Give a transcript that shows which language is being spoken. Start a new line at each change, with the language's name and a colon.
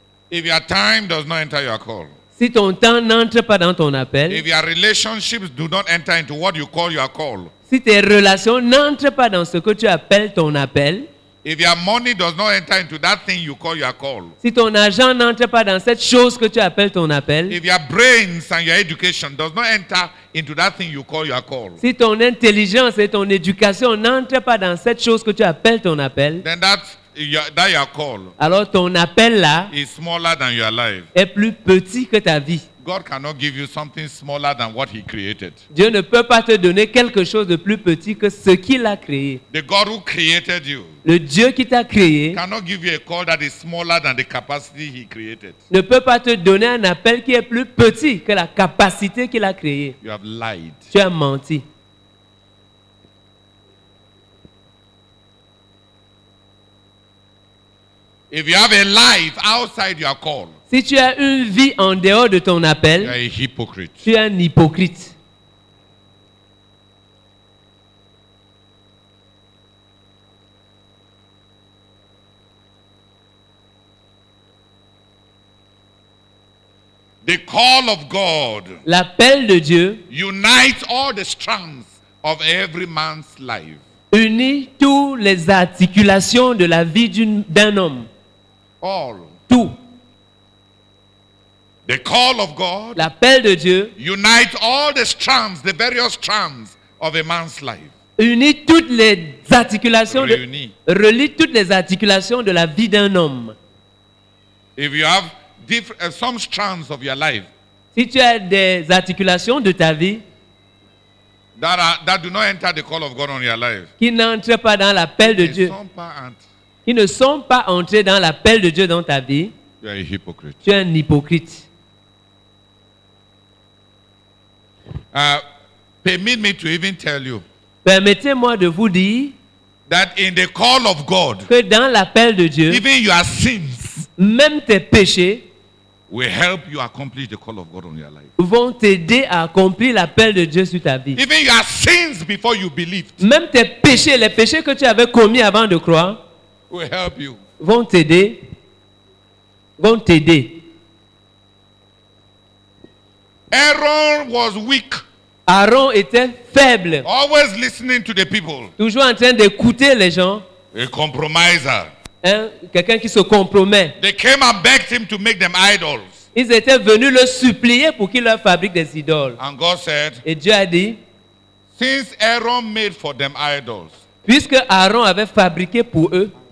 English: If your time does not enter your call,
French: si ton temps n'entre pas dans ton appel,
English: if your relationships do not enter into what you call your call,
French: si tes relations n'entrent pas dans ce que tu appelles ton appel,
English: if your money does not enter into that thing you call your call,
French: si ton argent n'entre pas dans cette chose que tu appelles ton appel,
English: if your brains and your education does not enter into that thing you call your call,
French: si ton intelligence et ton éducation n'entre pas dans cette chose que tu appelles ton appel,
English: then that your call,
French: alors ton appel là,
English: is smaller than your life,
French: est plus petit que ta vie.
English: God cannot give you something smaller than what He created.
French: Dieu ne peut pas te donner quelque chose de plus petit que ce qu'il a créé.
English: The God who created you,
French: le Dieu qui t'a créé,
English: cannot give you a call that is smaller than the capacity He created.
French: Ne peut pas te donner un appel qui est plus petit que la capacité qu'il a créé.
English: You have lied.
French: Tu as menti.
English: If you have a life outside your call,
French: si tu as une vie en dehors de ton appel,
English: you are a hypocrite.
French: Tu es un hypocrite.
English: The call of God,
French: l'appel de Dieu,
English: unites all the strands of every man's life.
French: Unit toutes les articulations de la vie d'un homme.
English: All.
French: Tout.
English: The call of God,
French: l'appel de Dieu,
English: unites all the strands, the various strands of a man's life.
French: Unit toutes les articulations. Relie toutes les articulations de la vie d'un homme.
English: If you have some strands of your life,
French: si tu as des articulations de ta vie,
English: that do not enter the call of God on your life,
French: qui n'entrent pas dans l'appel de Dieu, qui ne sont pas entrés dans l'appel de Dieu dans ta vie,
English: you are a hypocrite.
French: Tu es un hypocrite.
English: Permit me to even tell you,
French: permettez-moi de vous dire,
English: that in the call of God,
French: que dans l'appel de Dieu,
English: even your sins,
French: même tes péchés,
English: will help you accomplish the call of God on your life.
French: Vont t'aider à accomplir l'appel de Dieu sur ta vie.
English: Even your sins before you believed.
French: Même tes péchés, les péchés que tu avais commis avant de croire,
English: will help you.
French: Vont t'aider. Vont t'aider.
English: Aaron was weak.
French: Aaron était faible.
English: Always listening to the people.
French: Toujours en train d'écouter les gens.
English: A compromiser.
French: Hein, quelqu'un qui se compromet.
English: They came and begged him to make them idols.
French: Ils étaient venus le supplier pour qu'il leur fabrique des idoles.
English: And God said,
French: et Dieu a dit,
English: since Aaron made for them idols,
French: puisque Aaron avait fabriqué pour eux,